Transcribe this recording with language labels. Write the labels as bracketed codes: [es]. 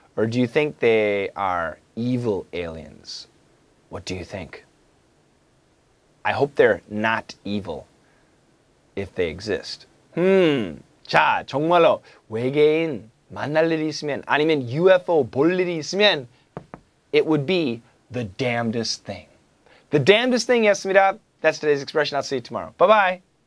[en] Or do you think they are evil aliens? What do you think? I hope they're not evil if they exist. [ko] 자, 정말로 외계인 만날 일이 있으면 아니면 UFO 볼 일이 있으면 [en] It would be the damnedest thing. The damnedest thing, 였습니다. That's today's expression. I'll see you tomorrow. Bye-bye.